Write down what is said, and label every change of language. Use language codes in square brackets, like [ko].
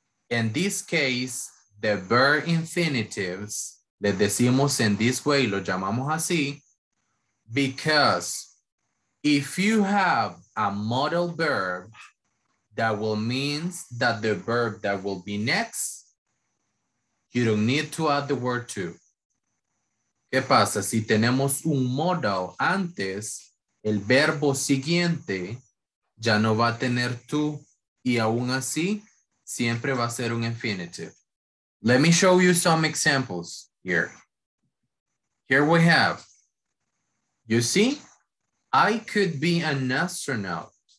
[en] In this case, the verb infinitives, [es] le decimos [en] in this way, [es] lo llamamos así, [en] because if you have a modal verb, that will mean that the verb that will be next, you don't need to add the word to. [es] ¿Qué pasa? Si tenemos un modal antes, el verbo siguiente ya no va a tener to, y aún así, siempre va a ser un infinitive. [en] Let me show you some examples here. Here we have, you see, I could be an astronaut.